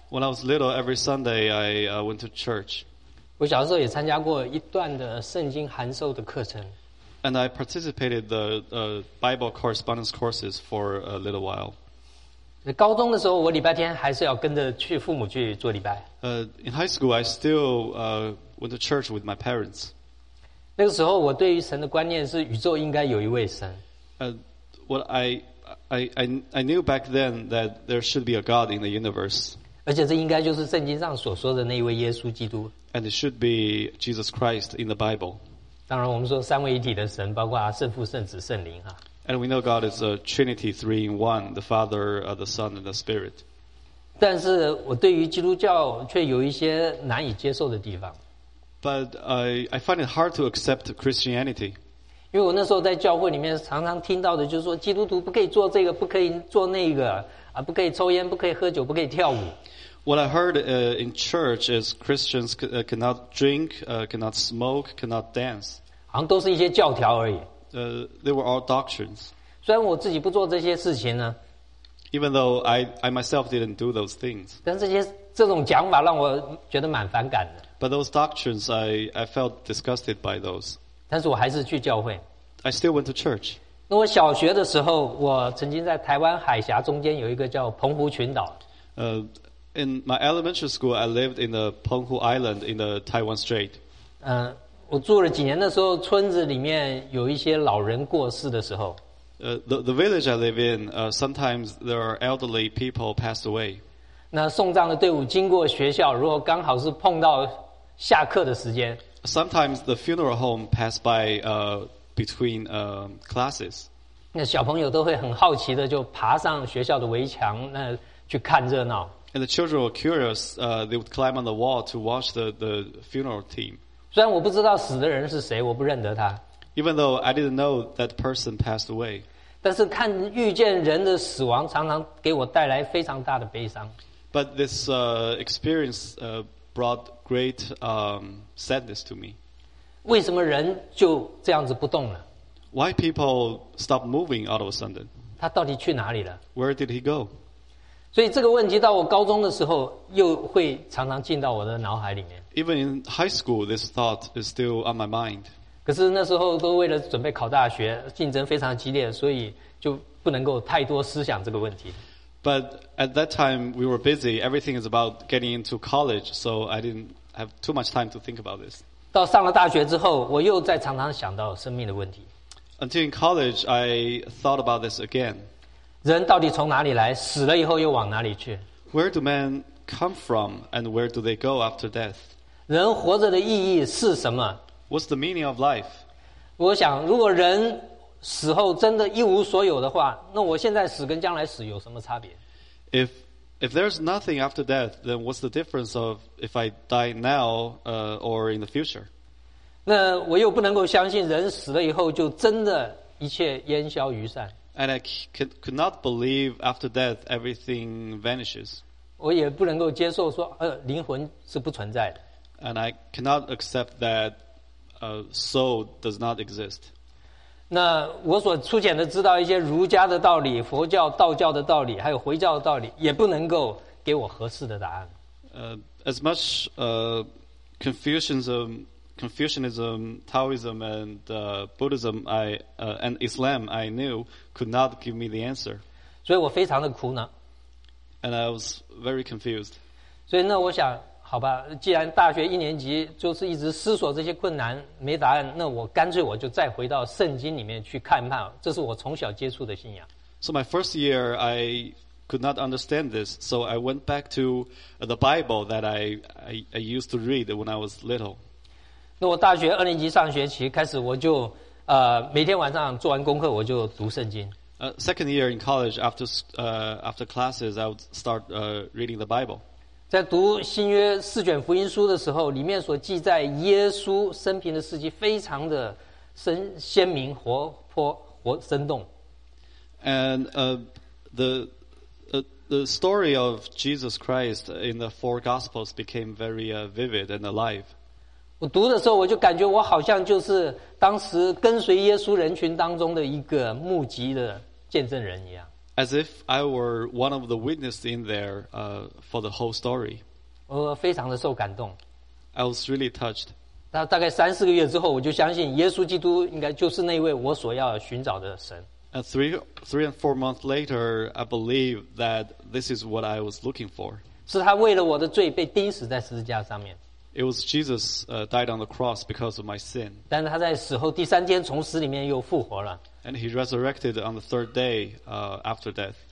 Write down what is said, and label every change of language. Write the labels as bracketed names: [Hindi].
[English] When I was little, every Sunday, I went to church. [Chinese] 我小时候也参加过一段的圣经函授的课程。 [English] And I participated in the Bible correspondence courses for a little while. [Chinese] 高中的时候，我礼拜天还是要跟着去父母去做礼拜。 [English] In high school, I still went to church with my parents. [Chinese] 那个时候，我对于神的观念是宇宙应该有一位神。 [English] What I knew back then that there should be a God in the universe. [Chinese] 而且这应该就是圣经上所说的那一位耶稣基督。 [English] And it should be Jesus Christ in the Bible. [Chinese] 当然我们说三位一体的神包括圣父圣子圣灵、啊、 [English] And we know God is a Trinity three in one, the Father, the Son, and the Spirit. [Chinese] 但是我对于基督教却有一些难以接受的地方。 [English] But I find it hard to accept Christianity. [Chinese] 因为我那时候在教会里面常常听到的就是说基督徒不可以做这个不可以做那个、啊、不可以抽烟不可以喝酒不可以跳舞。 [English] What I heard in church is Christians cannot drink, cannot smoke, cannot dance. [Chinese] 好像都是一些教条而已。 [English] They were all doctrines. [Chinese] 虽然我自己不做这些事情呢。 [English] Even though I myself didn't do those things. [Chinese] 但这些这种讲法让我觉得蛮反感的。 [English] But those doctrines, I felt disgusted by those. [Chinese] 但是我还是去教会。 [English] I still went to church. [Chinese] 那我小学的时候，我曾经在台湾海峡中间有一个叫澎湖群岛。 [English] In my elementary school, I lived in the Penghu Island in the Taiwan Strait. [Chinese] 我住了几年的时候，村子里面有一些老人过世的时候。 [English] The village I live in, sometimes there are elderly people passed away. [Chinese] 那送葬的队伍经过学校，如果刚好是碰到下课的时间。 [English] Sometimes the funeral home passed by, between, classes. [Chinese] 那小朋友都会很好奇的就爬上学校的围墙，那去看热闹。 [English] And the children were curious, they would climb on the wall to watch the funeral team. [Chinese] 虽然我不知道死的人是谁，我不认得他。 [English] Even though I didn't know that person passed away. [Chinese] 但是看遇见人的死亡常常给我带来非常大的悲伤。 [English] But this experience brought great sadness to me. [Chinese] 为什么人就这样子不动了？ [English] Why people stopped moving all of a sudden? [Chinese] 他到底去哪里了？ [English] Where did he go? [Chinese] 所以这个问题到我高中的时候又会常常进到我的脑海里面。 [English] Even in high school, this thought is still on my mind. [Chinese] 可是那时候都为了准备考大学，竞争非常激烈，所以就不能够太多思想这个问题。 [English] But at that time, we were busy. Everything is about getting into college, so I didn't have too much time to think about this. [Chinese] 到上了大学之后，我又再常常想到生命的问题。 [English] Until in college, I thought about this again. [Chinese] 人到底从哪里来？死了以后又往哪里去 [English] ？Where do men come from and where do they go after death? [Chinese] 人活着的意义是什么？ [English] What's the meaning of life? [Chinese] 我想如果人死后真的一无所有的话，那我现在死跟将来死有什么差别？ [English] If there's nothing after death, then what's the difference of if I die now, or in the future? [Chinese] 那我又不能够相信人死了以后就真的一切烟消云散。 [English] And I could not believe after death everything vanishes. [Chinese] 我也不能够接受说灵魂是不存在的。 [English] And I cannot accept that soul does not exist. [Chinese] 那我所粗浅的知道一些儒家的道理、佛教、道教的道理，还有回教的道理，也不能够给我合适的答案。 [English] As much Confucianism, Taoism, and Buddhism, and Islam, I knew could not give me the answer. [Chinese] 所以我非常的苦恼。 [English] And I was very confused. [Chinese] 所以那我想，好吧，既然大学一年级就是一直思索这些困难没答案，那我干脆我就再回到圣经里面去看一看，这是我从小接触的信仰。 [English] So my first year, I could not understand this, so I went back to the Bible that I used to read when I was little. [Chinese] 那我大学二年级上学期开始，我就每天晚上做完功课我就读圣经。 [English] Second year in college, after classes, I would start reading the Bible. [Chinese] 在读新约四卷福音书的时候，里面所记载耶稣生平的事迹非常的鲜明、活泼、活生动。 [English] And the story of Jesus Christ in the four Gospels became very vivid and alive. [Chinese] 我读的时候，我就感觉我好像就是当时跟随耶稣人群当中的一个目击的见证人一样。 [English] As if I were one of the witnesses in there for the whole story. [Chinese] 我非常的受感动。 [English] I was really touched. [Chinese] 大概三四个月之后，我就相信耶稣基督应该就是那位我所要寻找的神。 [English] And three and four months later, I believe that this is what I was looking for. [Chinese] 是他为了我的罪被钉死在十字架上面。 [English] It was Jesus died on the cross because of my sin. [Chinese] 但是他在死后第三天从死里面又复活了。 [English] And he resurrected on the third day after death.